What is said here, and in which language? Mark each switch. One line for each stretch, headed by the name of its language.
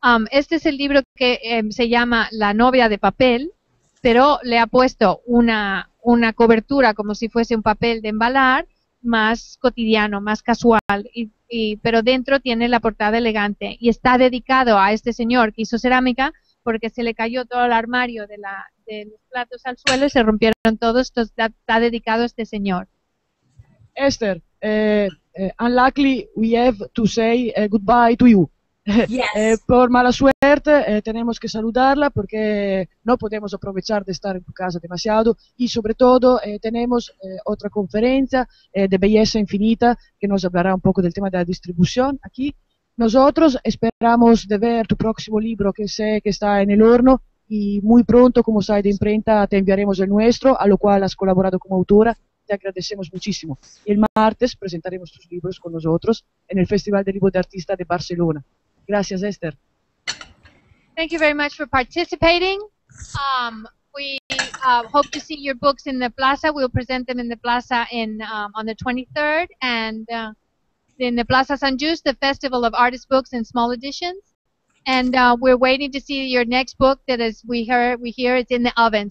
Spanish: Este es el libro que se llama La novia de papel, pero le ha puesto una cobertura como si fuese un papel de embalar, más cotidiano, más casual, pero dentro tiene la portada elegante. Y está dedicado a este señor que hizo cerámica porque se le cayó todo el armario de los platos al suelo y se rompieron todos. Entonces está dedicado a este señor. Esther.
English: Unluckily, we have to say goodbye to you. Yes.
Spanish: Por mala suerte, tenemos que saludarla porque no podemos aprovechar de estar en tu casa demasiado y sobre todo tenemos otra conferencia de belleza infinita que nos hablará un poco del tema de la distribución aquí. Nosotros esperamos de ver tu próximo libro que sé que está en el horno y muy pronto, como sabes, de imprenta te enviaremos el nuestro, a lo cual has colaborado como autora. Te agradecemos muchísimo. El martes presentaremos tus libros con nosotros en el Festival del Libro de Artista de Barcelona. Gracias, Esther.
English: Thank you very much for participating. We hope to see your books in the plaza. We'll present them in the plaza on the 23rd and in the Plaza San Just, the Festival of Artist Books and Small Editions. And we're waiting to see your next book that, as we hear, it's in the oven.